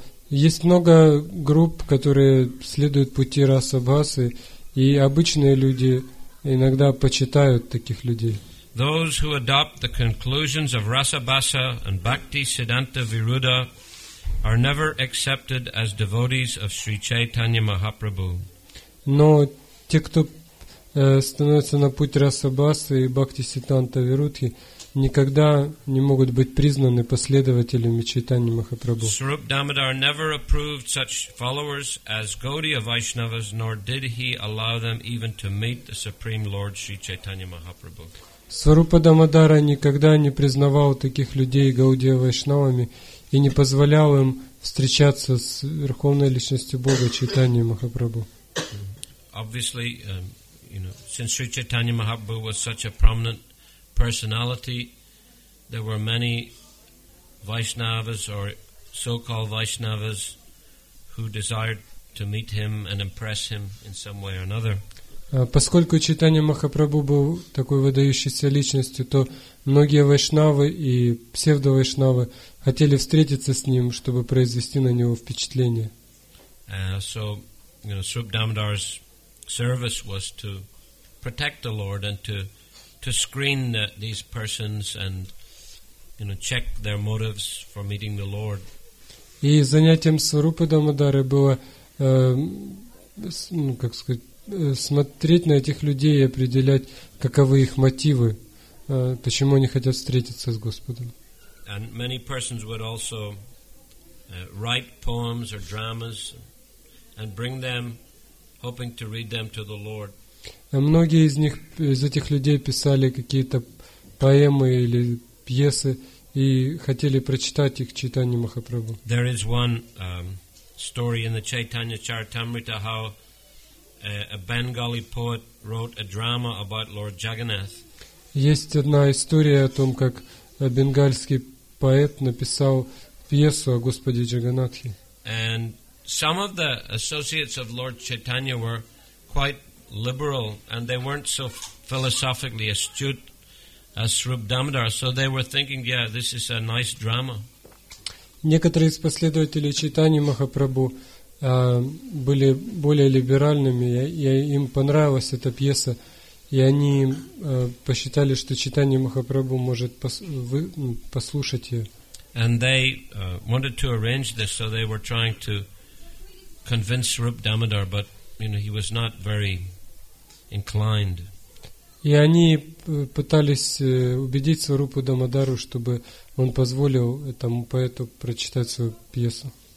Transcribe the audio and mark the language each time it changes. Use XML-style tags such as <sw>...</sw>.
<ru>Есть много групп, которые следуют пути раса басы, и обычные люди иногда почитают таких людей.</ru> <en>Those who adopt the conclusions of rasa basa and bhakti siddhanta viruddha are never accepted as devotees of Sri Chaitanya Mahaprabhu.</en> <ru>Но те, кто становится на путь раса басы и бхакти сиддханта вирудхи, никогда не могут быть признаны последователями Чайтаньи Махапрабху.</ru> <en>Swarup Damodar never approved such followers as Gaudiya Vaishnavas, nor did he allow them even to meet the Supreme Lord Sri Chaitanya Mahaprabhu.</en> <ru>Сварупа Дамодара никогда не признавал таких людей Гаудия Вайшнавами и не позволял им встречаться с Верховной Личностью Бога Чайтаньи Махапрабху.</ru> <en>Obviously, you know, since Sri Chaitanya Mahaprabhu was such a prominent personality, there were many Vaishnavas or so-called Vaishnavas who desired to meet him and impress him in some way or another.</en> <ru>Поскольку Чайтанья Махапрабху был такой выдающейся личностью, то многие Вайшнавы и псевдо-Вайшнавы хотели встретиться с ним, чтобы произвести на него впечатление.</ru> <en>So, you know, Srup Damodar's service was to protect the Lord and to to screen these persons and, you know, check their motives for meeting the Lord.</en> <ru>И занятием Сварупы Дамодары было, ну, как сказать, смотреть на этих людей и определять, каковы их мотивы, почему они хотят встретиться с Господом.</ru> <en>And many persons would also write poems or dramas and bring them, hoping to read them to the Lord.</en> <ru>Многие из них, из этих людей писали какие-то поэмы или пьесы и хотели прочитать их Чайтанье Махапрабху.</ru> <en>There is one story in the Chaitanya Charitamrita how a Bengali poet wrote a drama about Lord Jagannath.</en> <ru>Есть одна история о том, как бенгальский поэт написал пьесу о Господе Джаганнатхе.</ru> <en>And some of the associates of Lord Chaitanya were quite liberal and they weren't so philosophically astute as Srup Damodar, so they were thinking, yeah, this is a nice drama.</en> <ru>Некоторые из последователей Чайтаньи Махапрабху были более либеральными, и им понравилась эта пьеса, и они посчитали, что Чайтанья Махапрабху может послушать ее.</ru> <en>And they wanted to arrange this, so they were trying to convince Srup Damodar, but, you know, he was not very inclined.</en> <ru>И они пытались убедить Сварупу Дамодару, чтобы он позволил этому поэту прочитать свою пьесу.</ru>